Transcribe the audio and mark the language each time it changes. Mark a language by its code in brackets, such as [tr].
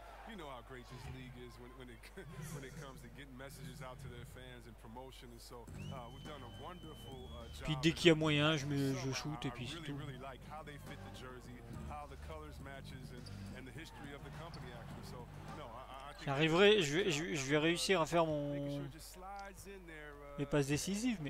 [en] You know how great this league is when it comes to getting messages out to their fans and promotion, and so we've done a wonderful job. [fr] Puis dès qu'il y a moyen, je shoot et puis c'est tout. [en] I really like how they fit the jersey, how the colors matches, and the history of the company actually. So no, I [fr] arriverai, je vais réussir à faire mes passes décisives, mais.